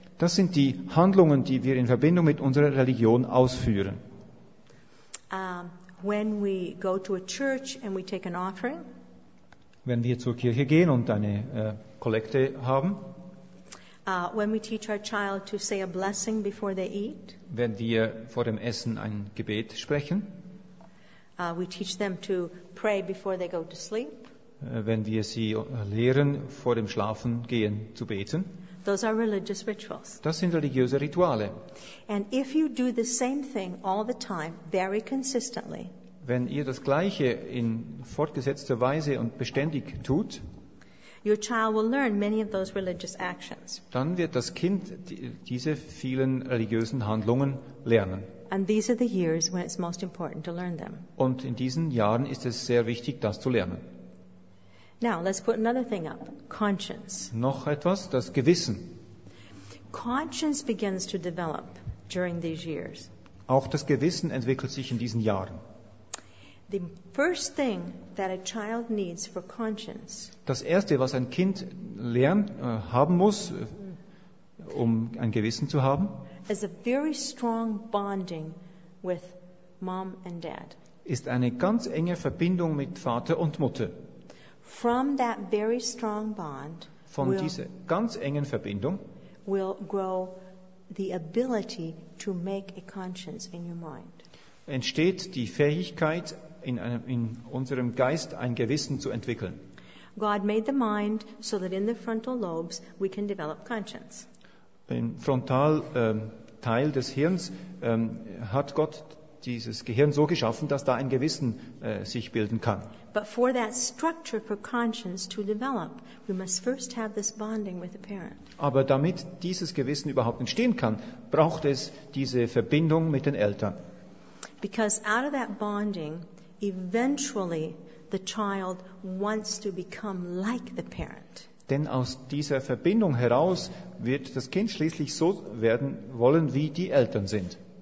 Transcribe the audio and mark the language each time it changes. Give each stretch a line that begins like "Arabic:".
German: Das sind die Handlungen, die wir in Verbindung mit unserer Religion ausführen.
English: When we go to a church and we take an offering.
German: Wenn wir zur Kirche gehen und eine Kollekte haben.
English: When we teach our child to say a blessing before they eat.
German: Wenn wir vor dem Essen ein Gebet sprechen.
English: We teach them to pray before they go to sleep.
German: Wenn wir sie lehren, vor dem Schlafen gehen zu beten.
English: Those are religious rituals.
German: Das sind religiöse Rituale.
English: And if you do the same thing all the time, very consistently.
German: Wenn ihr das Gleiche in fortgesetzter Weise und beständig tut,
English: your child will learn many of those religious actions.
German: Dann wird das Kind diese vielen religiösen Handlungen lernen.
English: And these are the years when it's most important to learn them.
German: Und in diesen Jahren ist es sehr wichtig, das zu lernen.
English: Now, let's put another thing up. Conscience.
German: Noch etwas, das Gewissen.
English: Conscience begins to develop during these years.
German: Auch das Gewissen entwickelt sich in diesen Jahren.
English: The first thing that a child needs for conscience.
German: Das erste, was ein Kind haben muss, um ein Gewissen zu haben,
English: is a very strong bonding with mom and dad.
German: Ist eine ganz enge Verbindung mit Vater und Mutter.
English: From that very strong bond,
German: von dieser ganz engen Verbindung
English: will grow the ability to make a conscience in your mind.
German: Entsteht die Fähigkeit, in unserem Geist ein Gewissen zu entwickeln.
English: God made the mind so that in the frontal lobes we can develop conscience.
German: Im Frontalteil des Hirns hat Gott dieses Gehirn so geschaffen, dass da ein Gewissen sich bilden kann.
English: But for that structure for conscience to develop, we must first have this bonding with the parent.
German: Aber damit dieses Gewissen überhaupt entstehen kann, braucht es diese Verbindung mit den Eltern.
English: Because out of that bonding, eventually the child wants to become like the parent.
German: Denn aus dieser Verbindung heraus wird das Kind schließlich so werden wollen, wie die Eltern sind.